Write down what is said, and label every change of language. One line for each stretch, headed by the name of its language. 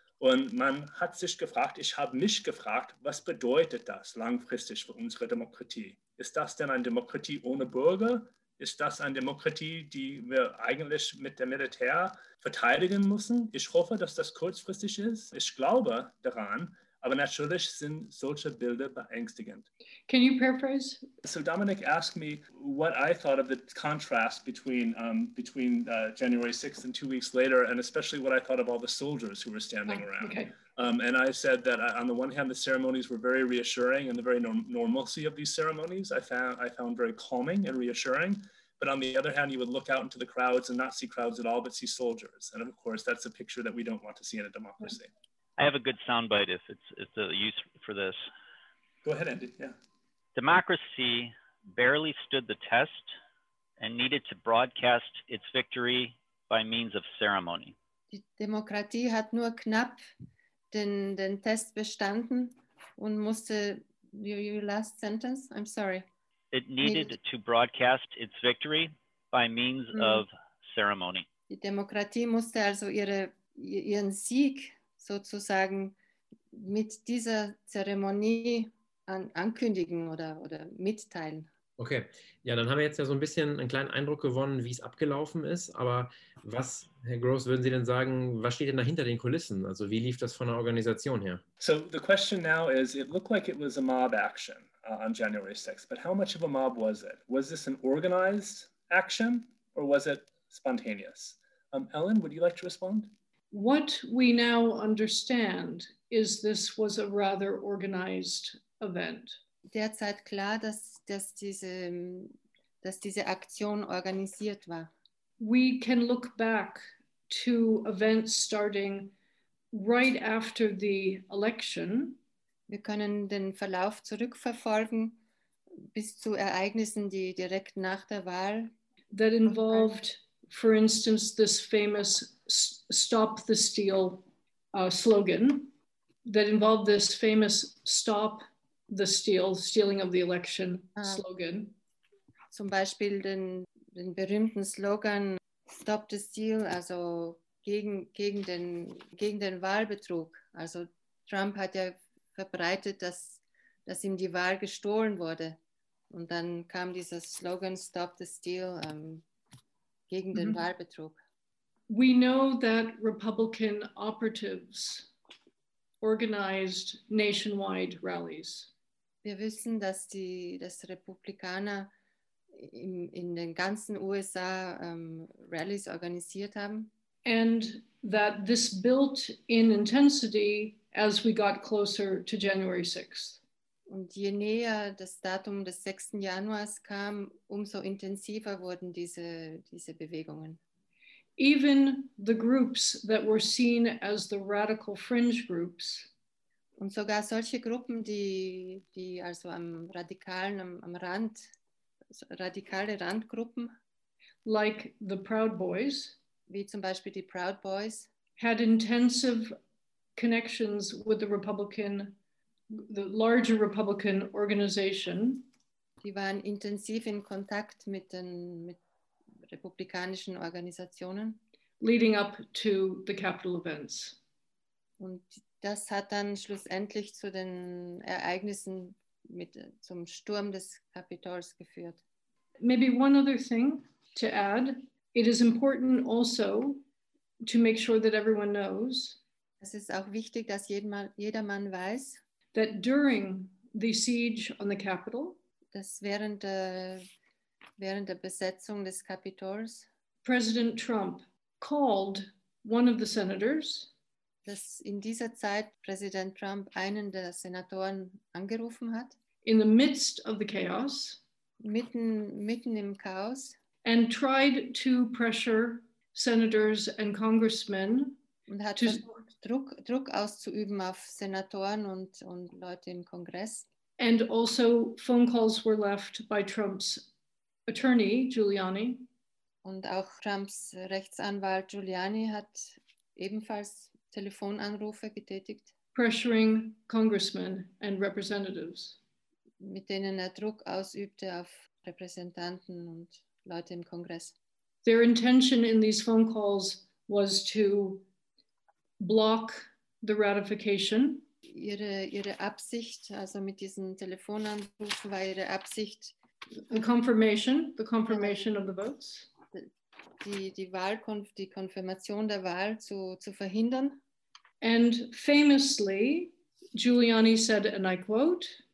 German: Und man hat sich gefragt, ich habe mich gefragt, was bedeutet das langfristig für unsere Demokratie? Ist das denn eine Demokratie ohne Bürger? Ist das eine Demokratie, die wir eigentlich mit dem Militär verteidigen müssen? Ich hoffe, dass das kurzfristig ist. Ich glaube daran, aber natürlich sind solche Bilder beängstigend.
English: Can you paraphrase? So Dominic asked me what I thought of the contrast between January 6th and 2 weeks later, and especially what I thought of all the soldiers who were standing around. Okay. And I said that on the one hand, the ceremonies were very reassuring, and the very normalcy of these ceremonies I found very calming and reassuring. But on the other hand, you would look out into the crowds and not see crowds at all, but see soldiers. And of course, that's a picture that we don't want to see in a democracy. Yeah. I have a good soundbite if it's the use for this. Go ahead, Andy. Yeah. Democracy barely stood the test and needed to broadcast its victory by means of ceremony.
German: Die Demokratie hat nur knapp den Test bestanden und musste.
English: Your last sentence? I'm sorry. It needed to broadcast its victory by means of ceremony.
German: Die Demokratie musste also ihren Sieg sozusagen mit dieser Zeremonie ankündigen oder mitteilen. Okay, ja, dann haben wir jetzt ja so ein bisschen einen kleinen Eindruck gewonnen, wie es abgelaufen ist. Aber was, Herr Gross, würden Sie denn sagen, was steht denn da hinter den Kulissen? Also wie lief das von der Organisation her?
English: So the question now is, it looked like it was a mob action on January 6th, but how much of a mob was it? Was this an organized action or was it spontaneous? Ellen, would you like to respond? What we now understand is this was a rather organized event.
German: Derzeit klar, dass diese Aktion organisiert war.
English: We can look back to events starting right after the election.
German: Wir können den Verlauf zurückverfolgen bis zu Ereignissen, die direkt nach der Wahl.
English: That involved, for instance, this famous Stop the Steal slogan that involved this famous Stop the Steal, stealing of the election slogan.
German: Zum Beispiel den berühmten Slogan Stop the Steal, also gegen den Wahlbetrug. Also Trump hat ja verbreitet, dass ihm die Wahl gestohlen wurde. Und dann kam dieser Slogan Stop the Steal gegen den Wahlbetrug.
English: We know that Republican operatives organized nationwide rallies.
German: Wir wissen, dass Republikaner in den ganzen USA rallies organisiert haben.
English: And that this built in intensity as we got closer to January 6th.
German: Und je näher das Datum des 6. Januars kam, umso intensiver wurden diese Bewegungen.
English: Even the groups that were seen as the radical fringe groups
German: Und sogar solche Gruppen, die also am radikalen, am Rand, radikale Randgruppen,
English: like the Proud Boys,
German: wie zum Beispiel die Proud Boys,
English: had intensive connections with the Republican, the larger Republican organization.
German: Die waren intensiv in Kontakt mit republikanischen Organisationen.
English: Leading up to the Capitol events.
German: Und das hat dann schlussendlich zu den Ereignissen zum Sturm des Kapitols geführt.
English: Maybe one other thing to add. It is important also to make sure that everyone knows.
German: Es ist auch wichtig, dass jedermann weiß,
English: that during the siege on the Capitol,
German: dass während der Besetzung des Kapitols,
English: President Trump called one of the senators,
German: dass in dieser Zeit Präsident Trump einen der Senatoren angerufen hat,
English: in the midst of the chaos,
German: mitten im Chaos,
English: and tried to pressure senators and congressmen,
German: und hat versucht, Druck auszuüben auf Senatoren und Leute im Kongress.
English: And also phone calls were left by Trump's attorney Giuliani.
German: Und auch Trumps Rechtsanwalt Giuliani hat ebenfalls Telefonanrufe getätigt.
English: Pressuring congressmen and representatives.
German: Mit denen er Druck ausübte auf Repräsentanten und Leute im Kongress.
English: Their intention in these phone calls was to block the ratification.
German: Ihre Absicht, also mit diesen Telefonanrufen, war ihre Absicht,
English: the confirmation of the votes,
German: die Konfirmation der Wahl zu verhindern.
English: And famously, Giuliani said, and I quote,